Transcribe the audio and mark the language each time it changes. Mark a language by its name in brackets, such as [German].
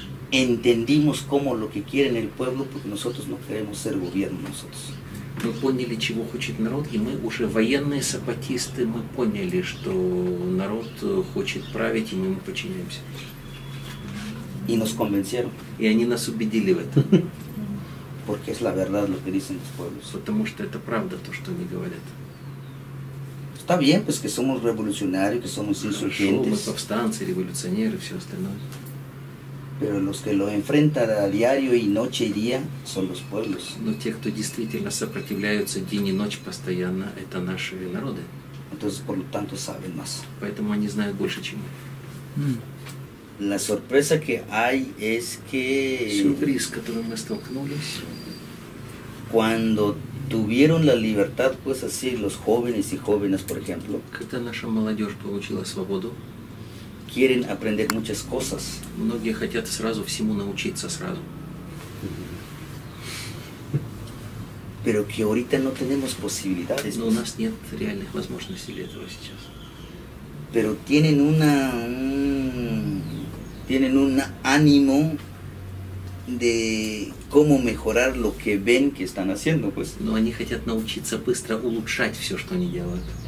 [Spanish] entendimos cómo lo que quiere el pueblo, porque nosotros no queremos ser gobierno nosotros. [Russian] Мы поняли, чего хочет народ, и мы уже военные сапатисты, мы поняли, что народ хочет править, и мы ему подчиняемся. [Spanish] Y nos convencieron. [Russian] И они нас убедили в этом. [Spanish] Porque es la verdad lo que dicen los pueblos. [Russian] Потому что это правда то, что они говорят. [Spanish] Está bien, pues que somos revolucionarios, que somos insurgentes. [Russian] Хорошо, мы повстанцы, революционеры, все остальное. [Spanish] Pero los que lo enfrentan a diario y noche y día son los pueblos. [Russian] Но те, кто действительно сопротивляются день и ночь постоянно, это наши народы. [Spanish] Entonces, por lo tanto, saben más. [Russian] Поэтому они знают больше, чем мы. [Spanish] La sorpresa que hay es que [Russian] сюрприз, с которым мы столкнулись, [Spanish] cuando tuvieron la libertad, pues así, los jóvenes y jóvenes, por ejemplo, [Russian] когда наша молодежь получила свободу, [Spanish] quieren aprender muchas cosas. [Russian] Многие хотят сразу всему научиться сразу. [Spanish] Pero que ahorita no tenemos posibilidades. [Russian] Но у нас нет реальных возможностей для этого сейчас. [Spanish] Pero tienen un ánimo de cómo mejorar lo que ven que están haciendo, pues. [Russian] Но они хотят научиться быстро улучшать все, что они делают.